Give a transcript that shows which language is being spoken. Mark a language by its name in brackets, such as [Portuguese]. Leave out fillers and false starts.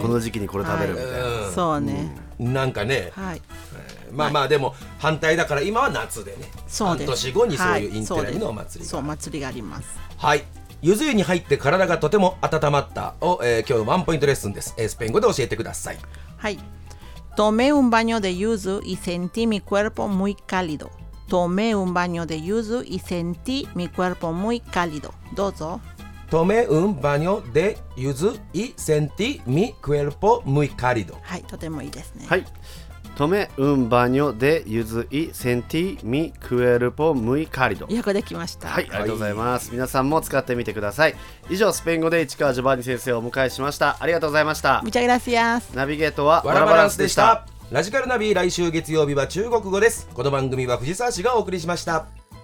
[Japanese] この時期にこれ食べるみたいな、はい、うん、そうね、うん、なんかね、はい、まあまあでも反対だから今は夏でね。そうです、半年後にそういうインテラリの祭りが、はい、そう、祭りがあります。はい、ゆず湯に入って体がとても温まったを、今日ワンポイントレッスンです、スペイン語で教えてください。 [Spanish] はい、tomé un baño de yuzu y sentí mi cuerpo muy cálido. Tomé un baño de yuzu y sentí mi cuerpo muy cálido. [Japanese] どうぞ。 [Spanish] tomé un baño de yuzu y sentí mi cuerpo muy cálido. [Japanese] はい、とてもいいですね。 [Spanish] はい、tomé un baño de yuzu y sentí mi cuerpo muy cálido。 [Japanese] よくできました。はい、ありがとうございます、はい、皆さんも使ってみてください。以上、スペイン語で市川ジョバンニ先生をお迎えしました。ありがとうございました。 [Spanish] Muchas gracias。 [Japanese] ナビゲートはワラバランスでした。ラジカルナビ、来週月曜日は中国語です。この番組は藤沢市がお送りしました。